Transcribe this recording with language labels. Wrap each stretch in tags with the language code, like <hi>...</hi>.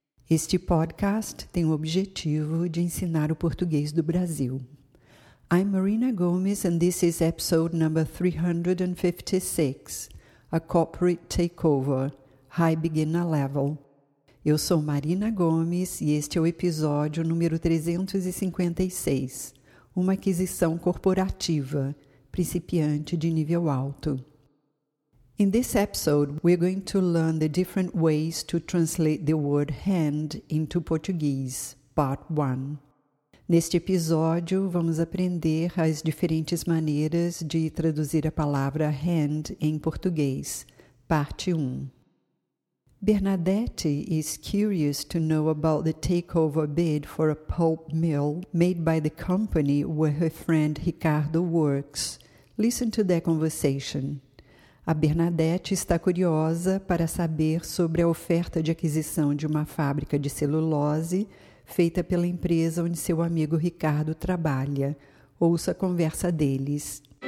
<pt>Este podcast tem o objetivo de ensinar o português do Brasil.</pt> <en>I'm Marina Gomes and this is episode number 356, A Corporate Takeover, High Beginner Level.</en> <pt>Eu sou Marina Gomes e este é o episódio número 356, Uma Aquisição Corporativa, Principiante de Nível Alto.</pt> <en>In this episode, we're going to learn the different ways to translate the word hand into Portuguese, part 1.</en> <pt>Neste episódio, vamos aprender as diferentes maneiras de traduzir a palavra hand em português, parte 1.</pt> <en>Bernadette is curious to know about the takeover bid for a pulp mill made by the company where her friend Ricardo works. Listen to their conversation.</en> <pt>A Bernadette está curiosa para saber sobre a oferta de aquisição de uma fábrica de celulose feita pela empresa onde seu amigo Ricardo trabalha. Ouça a conversa deles.</pt>